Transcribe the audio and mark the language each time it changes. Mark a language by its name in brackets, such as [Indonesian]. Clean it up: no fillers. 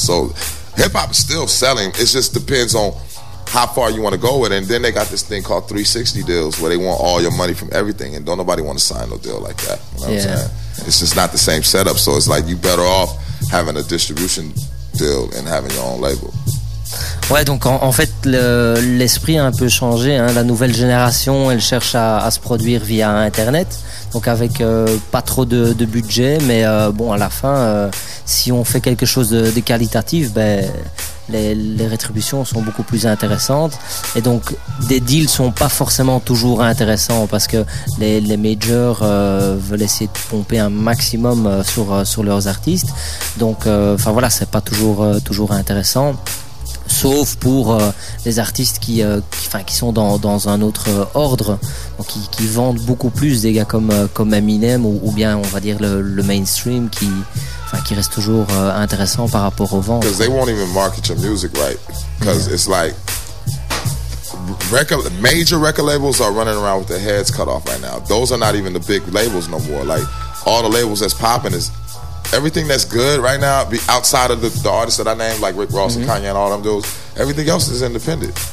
[English] So hip hop is still selling. It just depends on how far you want to go with it. And then they got this thing called 360 deals where they want all your money from everything, and don't nobody want to sign no deal like that. You know what I'm saying? It's just not the same setup. So it's like, you better off having a distribution deal and having your own label. [French] Ouais, donc en fait l'esprit a un peu changé, hein. La nouvelle génération, elle cherche à se produire via Internet, donc avec pas trop de budget, mais bon, à la fin, si on fait quelque chose de qualitatif, ben les rétributions sont beaucoup plus intéressantes, et donc des deals sont pas forcément toujours intéressants parce que les majors veulent essayer de pomper un maximum sur leurs artistes, donc enfin voilà, c'est pas toujours intéressant. Sauf pour les artistes qui sont dans un autre ordre, donc qui vendent beaucoup plus, des gars comme Eminem ou bien on va dire le mainstream qui reste toujours intéressant par rapport aux ventes. [English] Because they won't even market your music right, because it's like major record labels are running around with their heads cut off right now. Those are not even the big labels no more. Like all the labels that's popping is everything that's good right now, outside of the artists that I named, like Rick Ross and Kanye and all them dudes, everything else is independent.